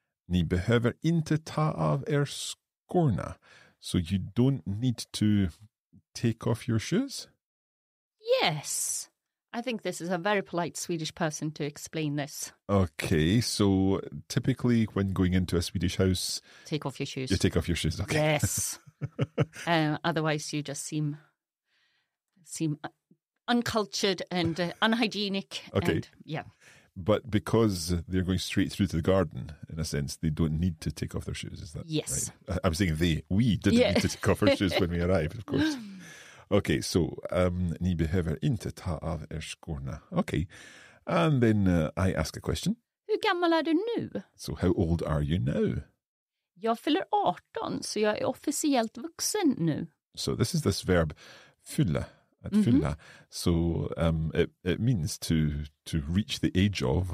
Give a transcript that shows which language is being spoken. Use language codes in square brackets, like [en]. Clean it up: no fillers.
[sv] Ni behöver inte ta av er skorna. [en] So you don't need to take off your shoes? Yes. I think this is a very polite Swedish person to explain this. Okay, so typically when going into a Swedish house... Take off your shoes. You take off your shoes, okay. Yes. otherwise you just seem uncultured and unhygienic. Okay. And, yeah. But because they're going straight through to the garden, in a sense, they don't need to take off their shoes, is that yes. right? I'm saying we didn't yeah. need to take off our shoes when we arrived, of course. Okay, so, [sv] ni behöver inte ta av er skorna. [en] Okay, and then I ask a question. [sv] Hur gammal är du nu? [en] So how old are you now? [sv] Jag fyller 18, så jag är officiellt vuxen nu. [en] So this is this verb, fylla. At fylla. So it means to reach the age of.